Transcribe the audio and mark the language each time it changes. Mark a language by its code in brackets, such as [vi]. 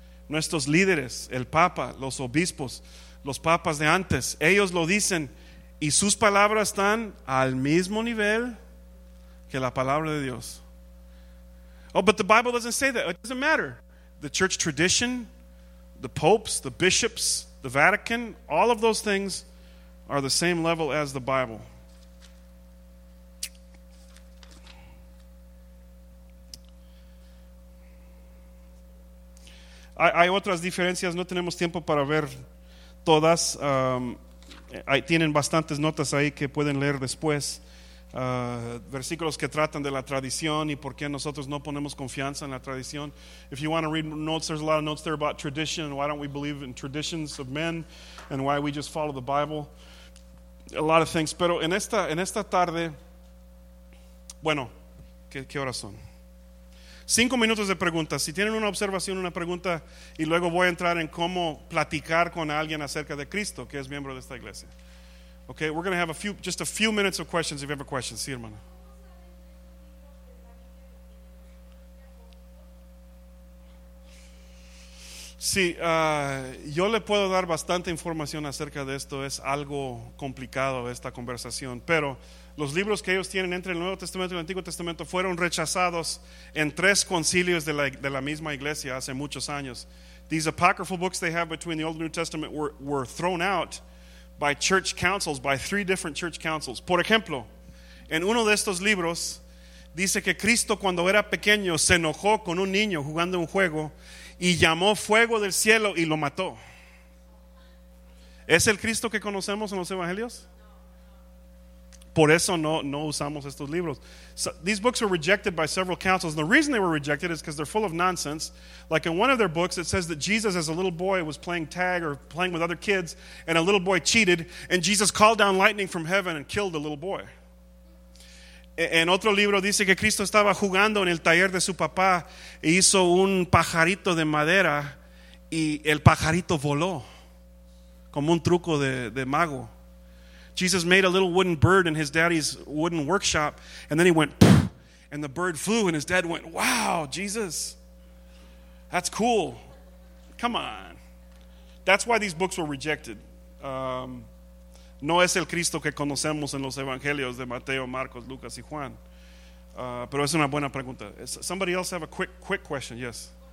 [es] Nuestros líderes, el Papa, los obispos, los papas de antes, ellos lo dicen. Y sus palabras están al mismo nivel que la palabra de Dios. [en] Oh, but the Bible doesn't say that. It doesn't matter. The church tradition, the popes, the bishops, the Vatican, all of those things are the same level as the Bible. [es] Hay otras diferencias. No tenemos tiempo para ver todas. Ahí tienen bastantes notas ahí que pueden leer después, versículos que tratan de la tradición y por qué nosotros no ponemos confianza en la tradición. [en] If you want to read notes, there's a lot of notes there about tradition and why don't we believe in traditions of men and why we just follow the Bible. A lot of things, [es] pero en esta tarde, bueno, ¿qué horas son? 5 minutos de preguntas. Si tienen una observación, una pregunta, y luego voy a entrar en cómo platicar con alguien acerca de Cristo, que es miembro de esta iglesia. [en] Okay, we're going to have just a few minutes of questions if you have a question. [es] Sí, hermano. Sí, yo le puedo dar bastante información acerca de esto. Es algo complicado esta conversación, pero los libros que ellos tienen entre el Nuevo Testamento y el Antiguo Testamento fueron rechazados en 3 concilios de la misma iglesia hace muchos años. [en] These apocryphal books they have between the Old and New Testament were thrown out by church councils, by 3 different church councils. [es] Por ejemplo, en uno de estos libros dice que Cristo cuando era pequeño se enojó con un niño jugando un juego y llamó fuego del cielo y lo mató. ¿Es el Cristo que conocemos en los evangelios? Por eso no usamos estos libros. [en] So, these books were rejected by several councils. And the reason they were rejected is because they're full of nonsense. Like in one of their books, it says that Jesus as a little boy was playing tag or playing with other kids, and a little boy cheated, and Jesus called down lightning from heaven and killed the little boy. [es] En otro libro dice que Cristo estaba jugando en el taller de su papá e hizo un pajarito de madera y el pajarito voló como un truco de mago. [en] Jesus made a little wooden bird in his daddy's wooden workshop, and then he went, poof, and the bird flew, and his dad went, wow, Jesus, that's cool. Come on. That's why these books were rejected. [es] No es el Cristo que conocemos en los evangelios de Mateo, Marcos, Lucas y Juan. Pero es una buena pregunta. [en] Somebody else have a quick question? Yes.